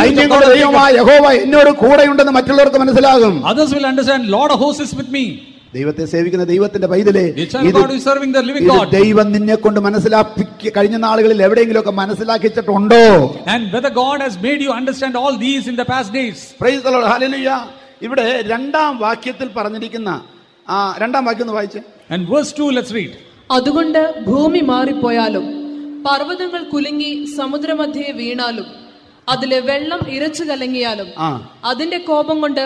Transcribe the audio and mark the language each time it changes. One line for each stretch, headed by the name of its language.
Malayalam: സൈന്യങ്ങളുടെ ദൈവമായ യഹോവ എന്നോട് കൂടെയുണ്ടെന്ന് മറ്റുള്ളവർക്ക് മനസ്സിലാകും.
English: Others will understand Lord of hosts is with me.
Malayalam: ദൈവത്തെ സേവിക്കുന്ന ദൈവത്തിന്റെ ബൈബിളിലെ ദൈവം നിന്നെ കൊണ്ട് മനസ്സിലാക്കി കഴിഞ്ഞ നാളുകളിൽ എവിടെയെങ്കിലും ഒക്കെ മനസ്സിലാക്കിച്ചിട്ടുണ്ടോ?
English: And whether God has made you understand all these in the past days. Praise the Lord. Hallelujah.
Malayalam: ഇവിടെ രണ്ടാം വാക്യത്തിൽ പറഞ്ഞിരിക്കുന്ന ആ രണ്ടാം വാക്യം ഒന്ന് വായിച്ചേ.
English: And verse 2, let's read.
Malayalam: അതുകൊണ്ട് ഭൂമി മാറിപ്പോയാലും പർവ്വതങ്ങൾ കുലുങ്ങി സമുദ്രമധ്യേ വീണാലും അതിലെ വെള്ളം ഇരച്ചു കലങ്ങിയാലും അതിന്റെ കോപം കൊണ്ട്.